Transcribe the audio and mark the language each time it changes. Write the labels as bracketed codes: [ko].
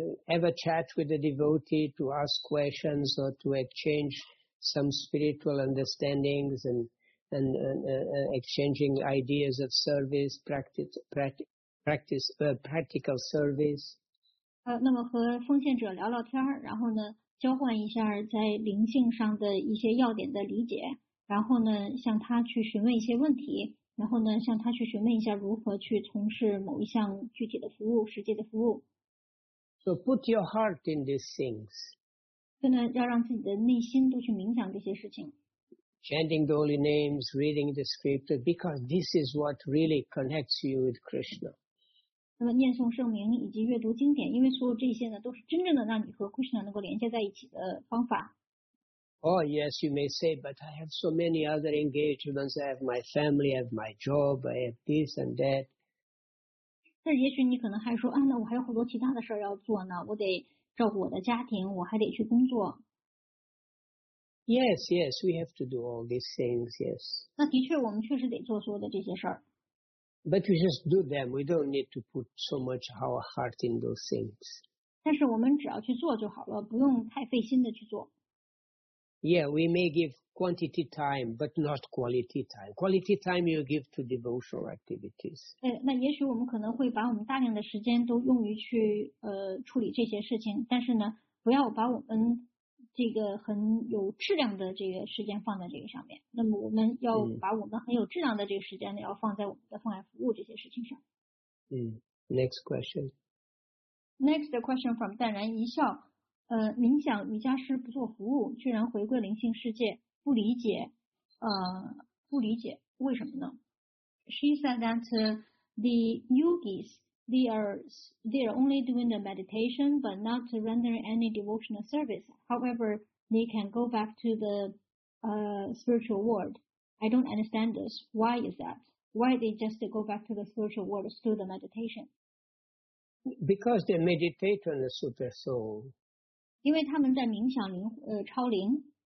[en] Ever chat with the devotee to ask questions or to exchange some spiritual understandings and exchanging ideas of service, practical service. [zh] 那么和奉献者聊聊天，然后呢，交换一下在灵性上的一些要点的理解，然后呢，向他去询问一些问题。然后呢，向他去询问一下如何去从事某一项具体的服务、实际的服务。 [en] So put your heart in these things. [zh] 真的要让自己的内心都去冥想这些事情。 [en] Chanting the holy names, reading the scripture, because this is what really connects you with Krishna. [zh] 那么念诵圣名以及阅读经典，因为所有这些呢，都是真正的让你和 Krishna 能够连接在一起的方法。 [en] Oh, yes, you may say, but I have so many other engagements. I have my family, I have my job, I have this and that. [zh] 但也许你可能还说，啊，那我还有好多其他的事要做呢，我得照顾我的家庭，我还得去工作。 [en] Yes, yes, we have to do all these things, yes. [zh] 那的确，我们确实得做所有的这些事。 [en] But we just do them. We don't need to put so much our heart in those things. [zh] 但是我们只要去做就好了，不用太费心的去做。 [en] Yeah, we may give quantity time, but not quality time. Quality time you give to devotional activities. [zh] 那也许我们可能会把我们大量的时间都用于去处理这些事情，但是呢，不要把我们这个很有质量的这个时间放在这个上面。那么我们要把我们很有质量的这个时间呢，要放在我们的奉爱服务这些事情上。 [en] Next question. Next question from 淡然一笑。 [zh] 冥想瑜伽师不做服务，居然回归灵性世界，不理解，不理解，为什么呢？ [en] She said that the yogis they are only doing the meditation but not to render any devotional service. However, they can go back to the spiritual world. I don't understand this. Why is that? Why they just go back to the spiritual world through the meditation? Because they meditate on the super soul. [zh] 因为他们在冥想灵超灵。